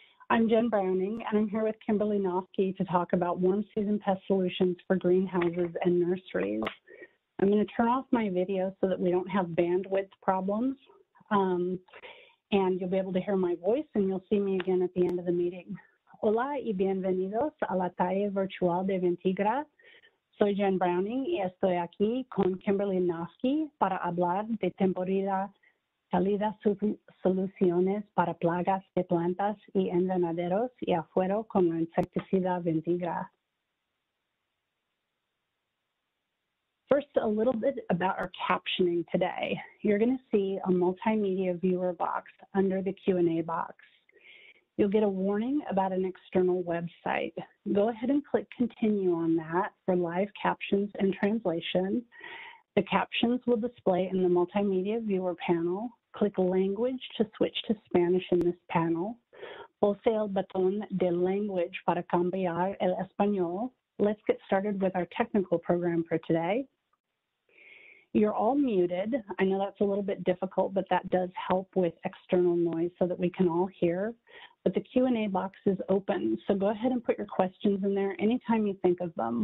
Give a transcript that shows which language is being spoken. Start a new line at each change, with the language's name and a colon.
English: I'm Jen Browning, and I'm here with Kimberly Nofke to talk about warm season pest solutions for greenhouses and nurseries. I'm going to turn off my video so that we don't have bandwidth problems. And you'll be able to hear my voice, and you'll see me again at the end of the meeting.
Spanish: Hola y bienvenidos a la talla virtual de Ventigra. Soy Jen Browning y estoy aquí con Kimberly Nofke para hablar de temporada calidad soluciones para plagas de plantas y invernaderos y afuera con la insecticida Ventigra.
English: First, a little bit about our captioning today. You're going to see a multimedia viewer box under the Q&A box. You'll get a warning about an external website. Go ahead and click continue on that for live captions and translation. The captions will display in the multimedia viewer panel. Click language to switch to Spanish in this panel.
Spanish: Pulse el botón de language para cambiar el español.
English: Let's get started with our technical program for today. You're all muted. I know that's a little bit difficult, but that does help with external noise so that we can all hear. But the Q&A box is open, so go ahead and put your questions in there anytime you think of them.